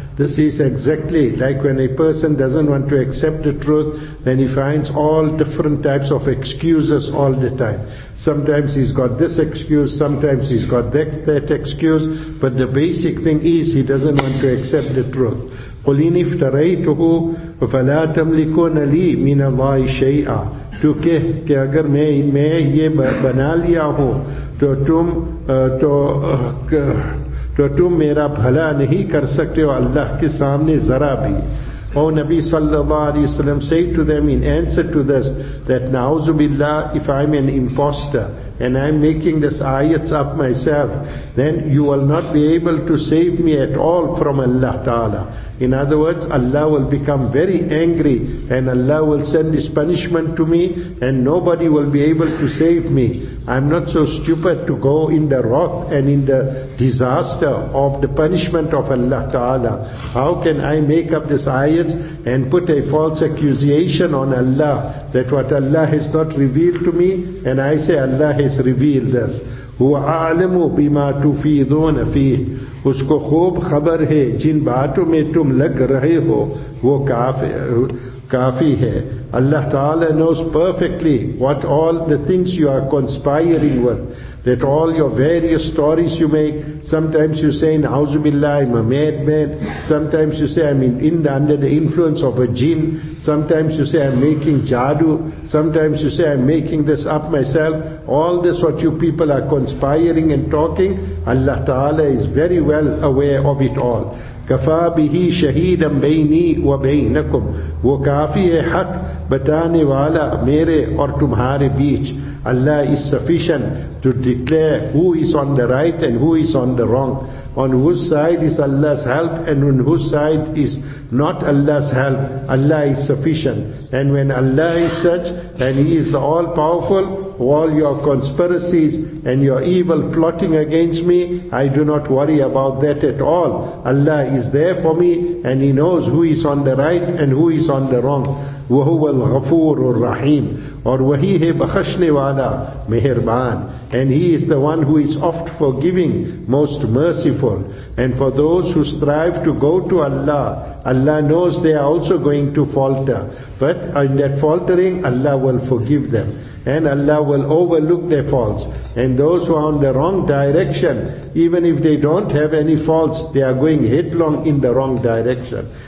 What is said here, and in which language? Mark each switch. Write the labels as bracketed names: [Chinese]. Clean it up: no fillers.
[English] This is exactly like when a person doesn't want to accept the truth, then he finds all different types of excuses all the time. Sometimes he's got this excuse, sometimes he's got that excuse, but the basic thing is he doesn't want to accept the truth. [Arabic] قُلِنِ افْتَرَيْتُهُ فَلَا تَمْلِكُونَ لِي مِنَ اللَّهِ شَيْئًا, [Urdu] تو کہ اگر میں یہ بنا لیا ہوں تو تم میرا بھلا نہیں کر سکتے ہو اللہ کے سامنے ذرا بھی. [English] Oh, Nabi sallallahu alayhi wa sallam said to them in answer to this, that na'uzu billah, if I'm an imposter and I'm making this ayats up myself, then you will not be able to save me at all from Allah Ta'ala. In other words, Allah will become very angry and Allah will send His punishment to me and nobody will be able to save me. I'm not so stupid to go in the wrath and in the disaster of the punishment of Allah Ta'ala. How can I make up this ayats and put a false accusation on Allah that what Allah has not revealed to me, and I say Allah has revealed this. [Arabic] هُوَ عَالِمُ بِمَا تُفِيدُونَ فِيهِ, [Urdu] اس کو خوب خبر ہے جن باتوں میں تم لگ رہے ہو وہ کافی ہے. [English] Allah Ta'ala knows perfectly what all the things you are conspiring with, that all your various stories you make. Sometimes you say, [Arabic] نَعُوذُ بِاللَّهِ, [English] I'm a madman. Sometimes you say, I'm under the influence of a jinn. Sometimes you say, I'm making jadu. Sometimes you say, I'm making this up myself. All this what you people are conspiring and talking, Allah Ta'ala is very well aware of it all. [Arabic] كَفَى بِهِ شَهِيدًا بَيْنِي وَبَيْنَكُمْ, [Urdu] وہ کافی ہے حق بتانے والا میرے اور تمہارے بیچ. [English] Allah is sufficient to declare who is on the right and who is on the wrong, on whose side is Allah's help and on whose side is not Allah's help. Allah is sufficient, and when Allah is such and He is the all-powerful, all your conspiracies and your evil plotting against me, I do not worry about that at all. Allah is there for me and He knows who is on the right and who is on the wrong. [Arabic] وَهُوَ الْغَفُورُ الرَّحِيمُ, [Urdu] اور وہی ہے بخشنے والا مہربان. [English] And He is the one who is oft forgiving, most merciful. And for those who strive to go to Allah Allah knows they are also going to falter. But in that faltering, Allah will forgive them. And Allah will overlook their faults. And those who are on the wrong direction, even if they don't have any faults, they are going headlong in the wrong direction.